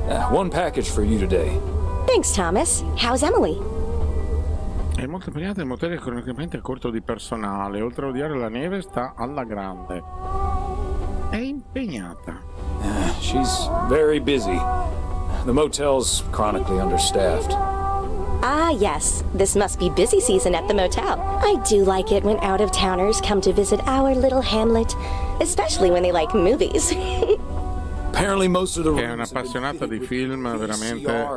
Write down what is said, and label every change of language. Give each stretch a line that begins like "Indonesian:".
English: One package for you today. Thanks Thomas, how's Emily?
Italian: È molto impegnata, il motore è cronicamente a corto di personale, oltre a odiare la neve sta alla grande. È impegnata.
English: She's very busy. The motel's chronically understaffed. Ah, yes. This must be busy season at the motel. I do like it when out-of-towners come to visit our little hamlet, especially when they like movies. Apparently most of the rooms
Italian: è una appassionata di film, veramente.